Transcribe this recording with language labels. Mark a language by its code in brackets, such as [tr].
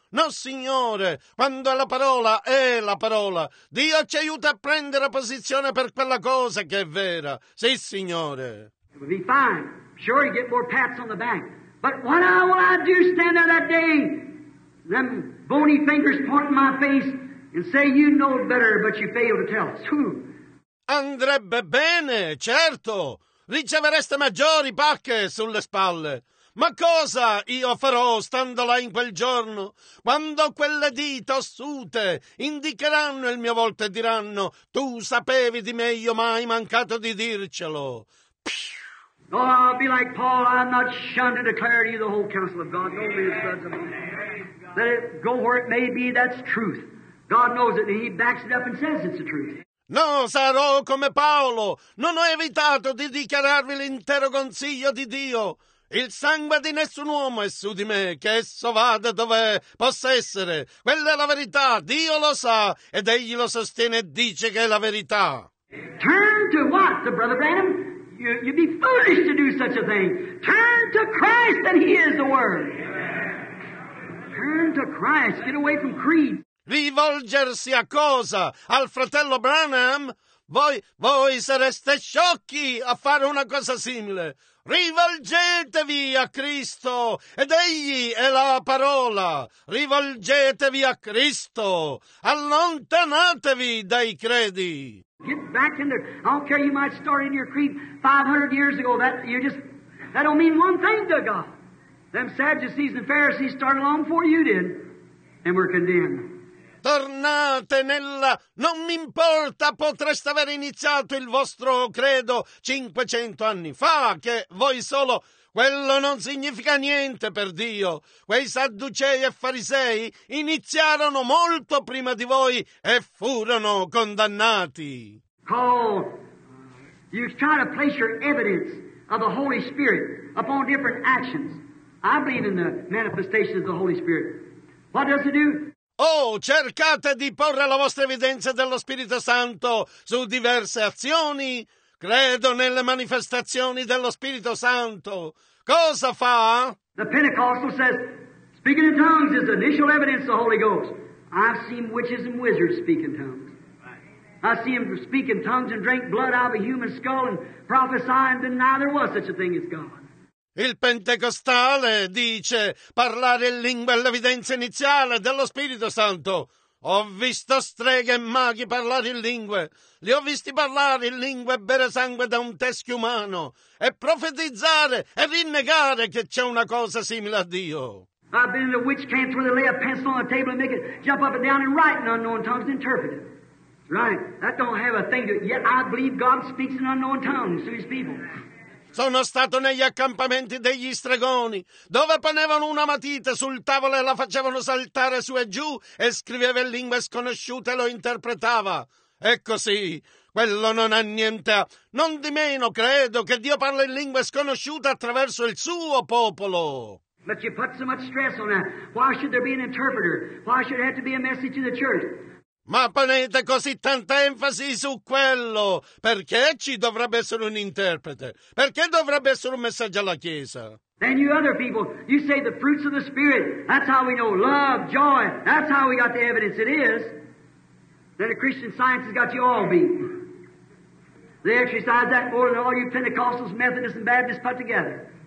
[it] No, Signore, quando è la parola, è la parola. Dio ci aiuta a prendere posizione per quella cosa che è vera. Sì, Signore. [en] It would be fine. Sure, you get more pats on the back. But what I will I do stand there that day? Them bony fingers pointing my face. And say you know better, but you fail to tell us. [it] Andrebbe bene, certo. Ricevereste maggiori pacche sulle spalle. Ma cosa io farò stando là in quel giorno, quando quelle dita ossute indicheranno il mio volto e diranno: tu sapevi di me, io mai mancato di dircelo. [en] Oh, I'll be like Paul. I'm not shunned to declare to you the whole counsel of God. Don't be afraid of me. Let it go where it may be. That's truth. God knows it, and He backs it up and says it's the truth. [it] No, sarò come Paolo. Non ho evitato di dichiararvi l'intero consiglio di Dio. Il sangue di nessun uomo è su di me, che esso vada dove possa essere. Quella è la verità. Dio lo sa, ed Egli lo sostiene e dice che è la verità. [en] Turn to what, the brother Branham? You'd be foolish to do such a thing. Turn to Christ, and He is the Word. Turn to Christ. Get away from creed. [it] Rivolgersi a cosa? Al fratello Branham? Voi sareste sciocchi a fare una cosa simile. Rivolgetevi a Cristo, ed Egli è la parola. Rivolgetevi a Cristo. Allontanatevi dai credi. [en] Get back in there. I don't care, you might start in your creed 500 years ago. That don't mean one thing to God. Them Sadducees and Pharisees started long before you did, and were condemned. [it] Tornate nella... Non mi importa, potreste aver iniziato il vostro credo 500 anni fa, che voi solo... Quello non significa niente per Dio. Quei sadducei e farisei iniziarono molto prima di voi e furono condannati. [en] Paul, you try to place your evidence of the Holy Spirit upon different actions. I believe in the manifestation of the Holy Spirit. What does it do? [it] Oh, cercate di porre la vostra evidenza dello Spirito Santo su diverse azioni. Credo nelle manifestazioni dello Spirito Santo. Cosa fa? [en] The Pentecostal says, speaking in tongues is the initial evidence of the Holy Ghost. I've seen witches and wizards speak in tongues. I see them speak in tongues and drink blood out of a human skull and prophesy and deny there was such a thing as God. [it] Il Pentecostale dice parlare in lingua è l'evidenza iniziale dello Spirito Santo. Ho visto streghe e maghi parlare in lingue. Li ho visti parlare in lingue e bere sangue da un teschio umano e profetizzare e rinnegare che c'è una cosa simile a Dio. [en] I've been in a witch camp where they lay a pencil on a table and make it jump up and down and write in unknown tongues and interpret it. Right. That don't have a thing to it. Yet I believe God speaks in unknown tongues to his people. [it] Sono stato negli accampamenti degli stregoni, dove ponevano una matita sul tavolo e la facevano saltare su e giù e scriveva in lingue sconosciute e lo interpretava. E così, quello non ha niente a... Non di meno credo che Dio parli in lingue sconosciute attraverso il suo popolo. [en] But you put so much stress on that. Why should there be an interpreter? Why should it have to be a message to the church? [it] Ma ponete così tanta enfasi su quello. Perché ci dovrebbe essere un interprete? Perché dovrebbe essere un messaggio alla Chiesa? [en] And you other people, you say the fruits of the Spirit, that's how we know love, joy, that's how we got the evidence it is. Then the Christian Science has got you all beat. They exercise that more than all you Pentecostals, Methodists and Baptists put together.